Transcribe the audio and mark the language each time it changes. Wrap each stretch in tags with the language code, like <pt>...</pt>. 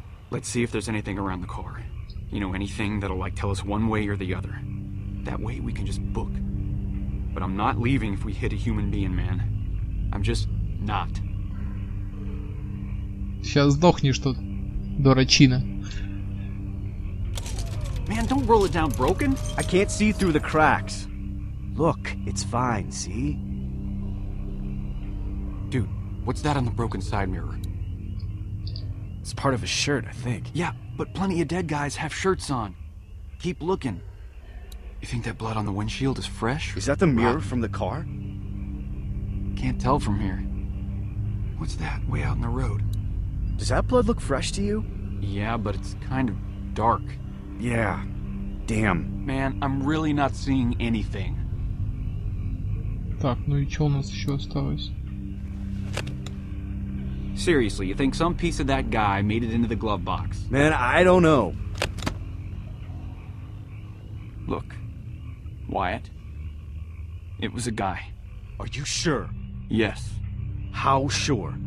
<en>Let's see if there's anything around the car. You know, anything that'll like tell us one way or the other. That way we can just book. But I'm not leaving if we hit a human being, man. I'm just not.</en> <ru>Сейчас сдохнешь тут, дурачина.</ru> <en>Man, don't roll it down broken. I can't see through the cracks. Look, it's fine, see? Dude, what's that on the broken side mirror? It's part of a shirt, I think. Yeah, but plenty of dead guys have shirts on. Keep looking. You think that blood on the windshield is fresh? Is that the mirror from the car? Can't tell from here. What's that way out in the road? Does that blood look fresh to you? Yeah, but it's kind of dark. Yeah. Damn. Man, I'm really not seeing anything.</en> <ru>Так, ну и что у нас еще осталось?</ru> <en>Seriously, you think some piece of that guy made it into the glove box? Man, I don't know. Look, Wyatt, it was a guy. Are you sure? Yes. How sure?</en>